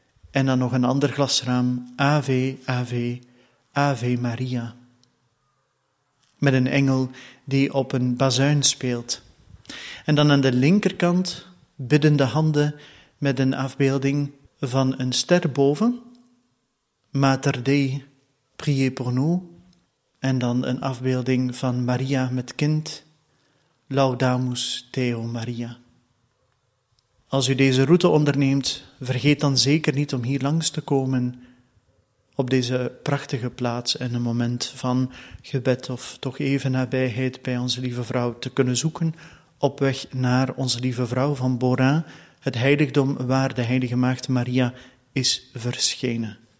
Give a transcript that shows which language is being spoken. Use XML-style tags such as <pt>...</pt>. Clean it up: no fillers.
<nl>En dan nog een ander glasraam,</nl> <la>Ave, Ave, Ave Maria.</la> <nl>Met een engel die op een bazuin speelt. En dan aan de linkerkant biddende handen met een afbeelding van een ster boven.</nl> <la>Mater Dei,</la> <fr>priez pour nous.</fr> <nl>En dan een afbeelding van Maria met kind,</nl> <la>Laudamus Theo Maria.</la> <nl>Als u deze route onderneemt, vergeet dan zeker niet om hier langs te komen op deze prachtige plaats en een moment van gebed of toch even nabijheid bij onze lieve vrouw te kunnen zoeken op weg naar onze lieve vrouw van Borin, het heiligdom waar de heilige maagd Maria is verschenen.</nl>